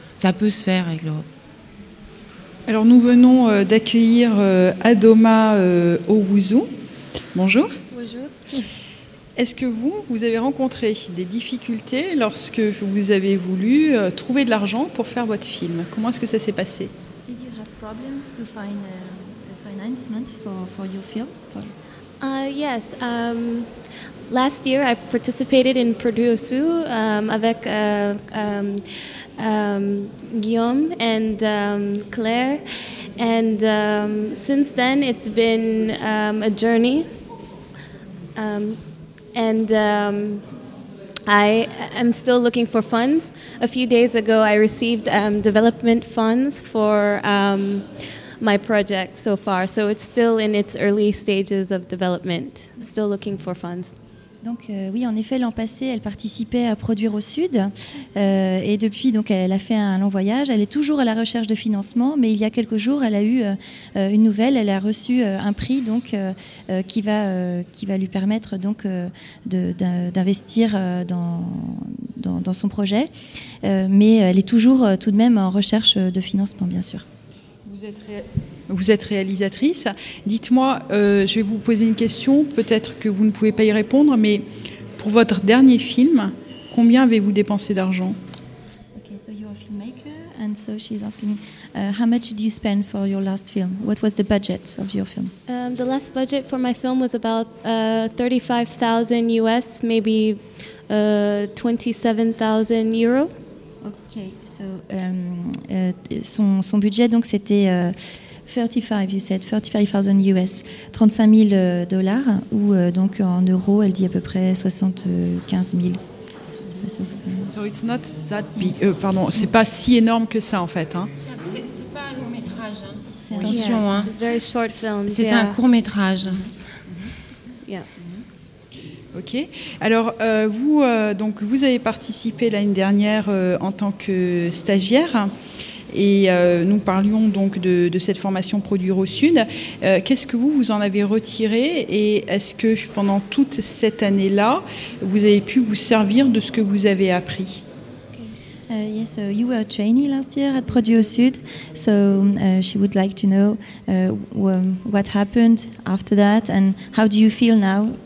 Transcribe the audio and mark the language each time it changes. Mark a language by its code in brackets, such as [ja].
[fr] Ça peut se faire avec l'Europe. Alors nous venons d'accueillir Adoma Owuzu. Bonjour. Bonjour. Est-ce que vous avez rencontré des difficultés lorsque vous avez voulu trouver de l'argent pour faire votre film? Comment est-ce que ça s'est passé? [en] Did you have problems to find a financement for your film? Yes. Last year I participated in Produosu avec Guillaume and Claire, and since then it's been a journey. And I am still looking for funds. A few days ago, I received development funds for my project so far. So it's still in its early stages of development. Still looking for funds. [fr] Donc oui, en effet, l'an passé, elle participait à Produire au Sud. Et depuis, donc, elle a fait un long voyage. Elle est toujours à la recherche de financement. Mais il y a quelques jours, elle a eu une nouvelle. Elle a reçu un prix donc, qui va lui permettre donc, d'investir dans son projet. Mais elle est toujours tout de même en recherche de financement, bien sûr. Vous êtes réalisatrice. Dites-moi, je vais vous poser une question, peut-être que vous ne pouvez pas y répondre, mais pour votre dernier film, combien avez-vous dépensé d'argent? [en] Okay, so you're a filmmaker, and so she's asking, how much did you spend for your last film? What was the budget of your film? The last budget for my film was about 35,000 US, maybe 27,000 euro. Okay, so [fr] son budget, donc, c'était... 35,000 US, 35 000 dollars, ou donc en euros, elle dit à peu près 75 000. [en] So it's not that big. [fr] Pardon, c'est pas si énorme que ça en fait. Hein. C'est pas un long métrage. Hein. C'est attention, yeah, hein. [en] It's a very short film. [fr] C'est yeah. Un court métrage. Yeah. Ok. Alors vous, donc vous avez participé l'année dernière en tant que stagiaire. Et nous parlions donc de cette formation Produire au Sud. Qu'est-ce que vous en avez retiré? Et est-ce que pendant toute cette année-là, vous avez pu vous servir de ce que vous avez appris? [en] Yes, so you were a trainee last year at Produire au Sud. So she would like to know what happened after that and how do you feel now?